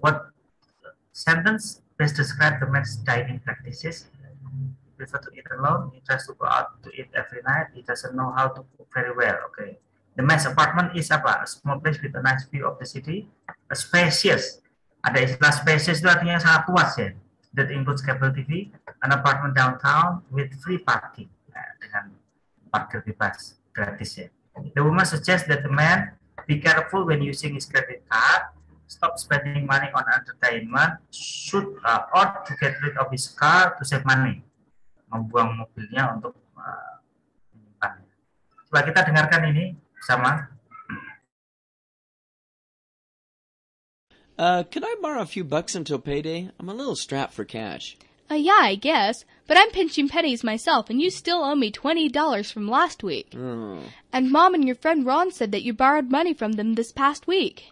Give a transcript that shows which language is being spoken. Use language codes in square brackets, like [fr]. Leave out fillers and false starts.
[en] What sentence best describe the man's dining practices? He prefers to eat alone. He tries to go out to eat every night. He doesn't know how to cook very well. Okay. The man's apartment is apa? A small place with a nice view of the city. A spacious. [id] Ada istilah spacious itu artinya sangat luas ya. [en] That includes cable TV, an apartment downtown with free parking, [id] dengan parkir bebas, gratis ya. [en] The woman suggests that the man be careful when using his credit card, stop spending money on entertainment, or to get rid of his car to save money, [id] membuang mobilnya untuk menyimpan. Coba kita dengarkan ini sama. [en] Could I borrow a few bucks until payday? I'm a little strapped for cash. Yeah, I guess. But I'm pinching pennies myself, and you still owe me $20 from last week. Oh. And Mom and your friend Ron said that you borrowed money from them this past week.